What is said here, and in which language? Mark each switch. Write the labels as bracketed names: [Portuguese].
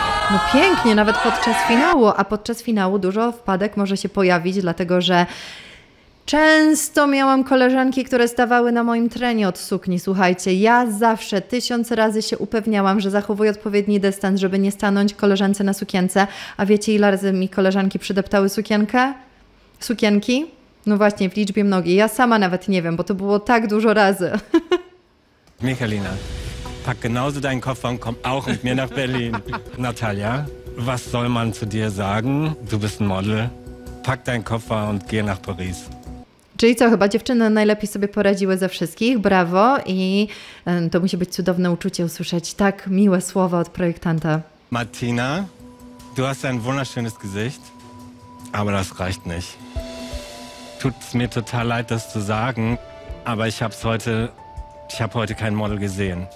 [Polish] No pięknie, nawet podczas finału, a podczas finału dużo wpadek może się pojawić, dlatego że często miałam koleżanki, które stawały na moim trenie od sukni. Słuchajcie, ja zawsze 1000 razy się upewniałam, że zachowuję odpowiedni dystans, żeby nie stanąć koleżance na sukience. A wiecie, ile razy mi koleżanki przydeptały sukienkę? Sukienki? No właśnie, w liczbie mnogiej. Ja sama nawet nie wiem, bo to było tak dużo razy. [German] Michalina, pack genauso deinen Koffer und komm auch mit mir nach Berlin. Natalia, was soll man zu dir sagen? Du bist ein Model. Pack deinen Koffer und geh nach Paris. [Polish] Czyli co, chyba dziewczyny najlepiej sobie poradziły ze wszystkich, brawo, i to musi być cudowne uczucie usłyszeć tak miłe słowa od projektanta. [German] Martina, du hast ein wunderschönes Gesicht, aber das reicht nicht. Tut's mir total leid, das zu sagen, aber ich hab heute kein Model gesehen.